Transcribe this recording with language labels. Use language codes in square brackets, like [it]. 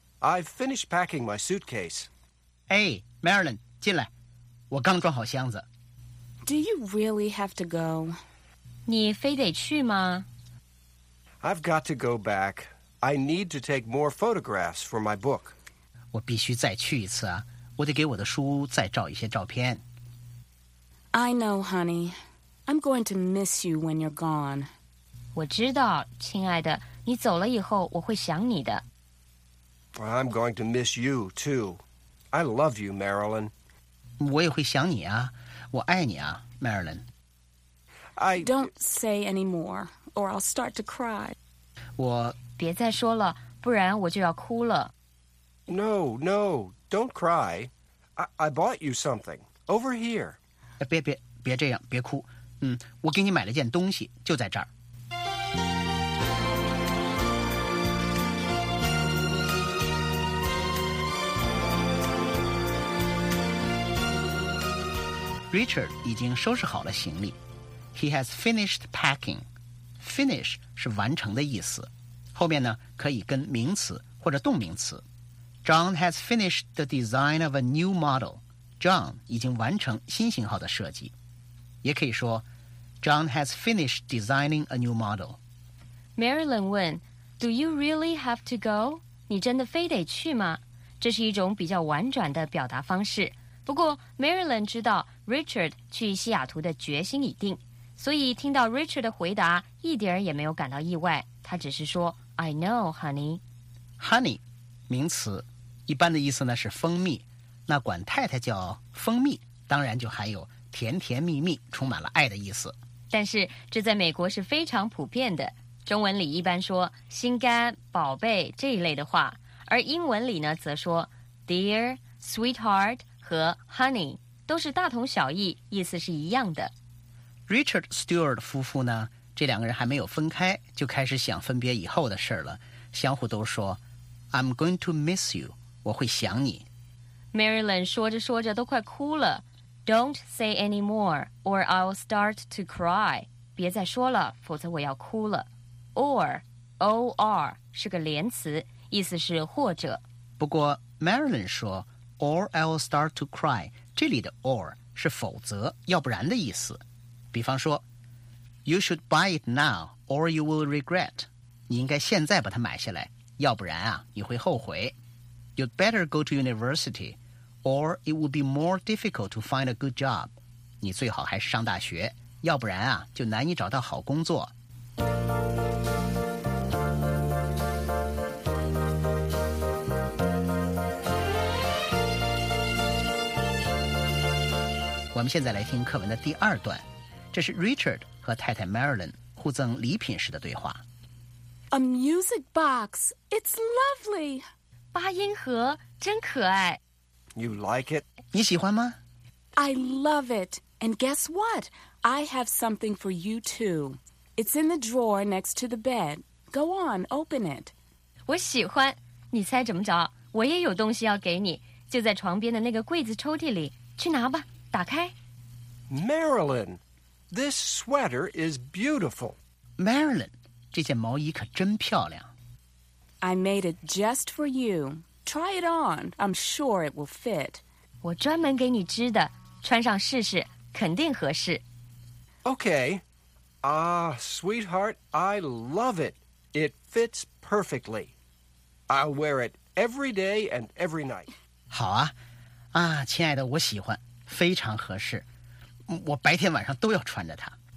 [en] I've finished packing my suitcase. [zh] Hey, Marilyn, 进来，我刚装好箱子。 [en] Do you really have to go? [zh] 你非得去吗？ [en] I've got to go back. I need to take more photographs for my book. [zh] 我必须再去一次啊，我得给我的书再照一些照片。 [en] I know, honey. I'm going to miss you when you're gone. [zh] 我知道，亲爱的，你走了以后我会想你的。 [en] I'm going to miss you, too. I love you, Marilyn. [zh] 我也会想你啊，我爱你啊，Marilyn。 [en] I... Don't say any more. Or I'll start to cry. [zh] 我别再说了，不然我就要哭了。 [en] No, don't cry. I bought you something over here. [zh] 别这样，别哭。我给你买了件东西，就在这儿。 Richard 已经收拾好了行李。 [en] He has finished packing. [zh] Finish 是完成的意思，后面呢可以跟名词或者动名词。 [en] John has finished the design of a new model. John [zh] 已经完成新型号的设计，也可以说 [en] John has finished designing a new model. Marilyn [zh] 问 [en] Do you really have to go? [zh] 你真的非得去吗？这是一种比较婉转的表达方式。不过 Marilyn 知道 Richard 去西雅图的决心已定，所以听到 Richard 的回答一点儿也没有感到意外，他只是说 [en] I know, honey. [zh] Honey, 名词，一般的意思呢是蜂蜜，那管太太叫蜂蜜，当然就含有甜甜蜜蜜，充满了爱的意思。但是这在美国是非常普遍的，中文里一般说心肝、宝贝这一类的话，而英文里呢则说 dear, sweetheart 和 honey 都是大同小异，意思是一样的。 Richard Stewart 夫妇呢，这两个人还没有分开就开始想分别以后的事了，相互都说 [en] I'm going to miss you, [zh] 我会想你。 Marilyn 说着说着都快哭了， [en] Don't say any more or I'll start to cry, [zh] 别再说了，否则我要哭了。 or 是个连词，意思是或者。不过 [en] Marilyn 说 or I'll start to cry, [zh] 这里的 [en] or [zh] 是否则要不然的意思，比方说 [en] You should buy it now or you will regret. [zh] 你应该现在把它买下来，要不然啊你会后悔。 [en] You'd better go to university or it would be more difficult to find a good job. [zh] 你最好还是上大学，要不然啊就难以找到好工作。我们现在来听课文的第二段，这是 Richard 和太太 Marilyn 互赠礼品时的对话。 [en] A music box, it's lovely. 八音盒真可爱。 You like it? 你喜欢吗？ I love it. And guess what? I have something for you too. It's in the drawer next to the bed. Go on, open it. [zh] 我喜欢，你猜怎么着？我也有东西要给你，就在床边的那个柜子抽屉里，去拿吧，打开。 [en] Marilyn! This sweater is beautiful. [zh] Marilyn, 这件毛衣可真漂亮。 [en] I made it just for you. Try it on. I'm sure it will fit. [zh] 我专门给你织的，穿上试试，肯定合适。 [en] Okay. Ah, sweetheart, I love it. It fits perfectly. I'll wear it every day and every night. [zh] 好啊。啊，亲爱的，我喜欢，非常合适。我白天晚上都要穿着它。